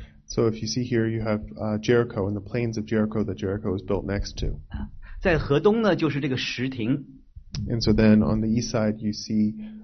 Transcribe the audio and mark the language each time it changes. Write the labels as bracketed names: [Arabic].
[English] ？So if you see here, you have Jericho and the plains of Jericho that Jericho is built next to. [Chinese] 在河东呢，就是这个石亭。 [English] And so then on the east side, you see.